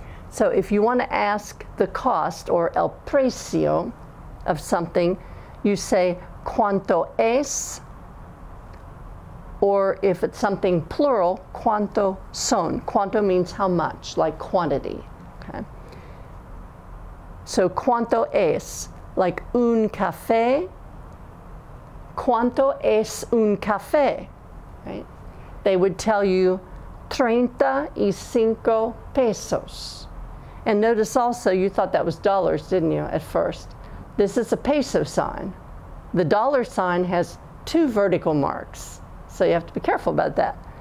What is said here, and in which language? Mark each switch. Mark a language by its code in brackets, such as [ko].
[en] So if you want to ask the cost or [es] el precio [en] of something, you say [es] cuánto es, [en] or if it's something plural, [es] cuánto son. [en] Cuánto means how much, like quantity. Okay. So [es] cuánto es. [en] Like [es] un café, ¿cuánto es un café? [en] Right? They would tell you 35 pesos. And notice also, you thought that was dollars, didn't you, at first? This is a peso sign. The dollar sign has two vertical marks, so you have to be careful about that.